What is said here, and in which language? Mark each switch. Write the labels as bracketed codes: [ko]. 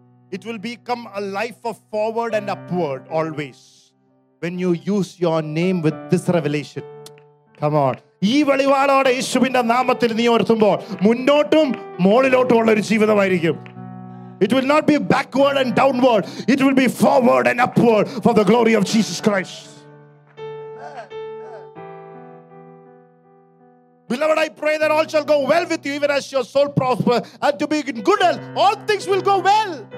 [en] It will become a life of forward and upward always when you use your name with this revelation. Come on. [ml] ഈ വെളിപാടോടെ യേശുവിന്റെ നാമത്തിൽ നീ ഉയർത്തുമ്പോൾ മുന്നോട്ടും മുകളിലോട്ടുമുള്ള ഒരു ജീവിതമായിരിക്കും. [en] It will not be backward and downward. It will be forward and upward for the glory of Jesus Christ. Beloved, I pray that all shall go well with you, even as your soul prosper, and to be in good health. All things will go well.